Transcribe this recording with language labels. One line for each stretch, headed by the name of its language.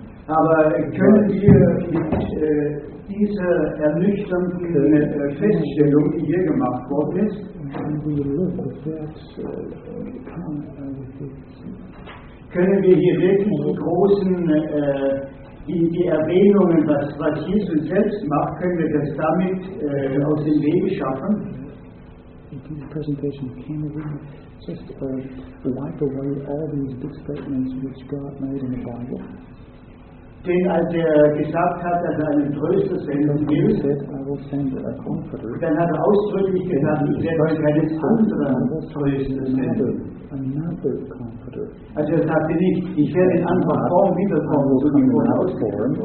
German: Aber können wir diese ernüchternden Feststellung, die hier gemacht worden ist, können wir hier wirklich die großen die Erwähnungen, was Jesus selbst macht, können wir das damit aus dem Wege schaffen?
English: This presentation can we just wipe away all these big statements which God made in the Bible?
German: Denn als gesagt hat, dass einen Tröster senden will,
English: said, I will send a comforter,
German: dann hat ausdrücklich gesagt, ich werde keinen anderen Tröster senden.
English: Another comforter.
German: Also er sagte nicht, ich werde in anderer Form wiederkommen, so wie vorher ausgeführt,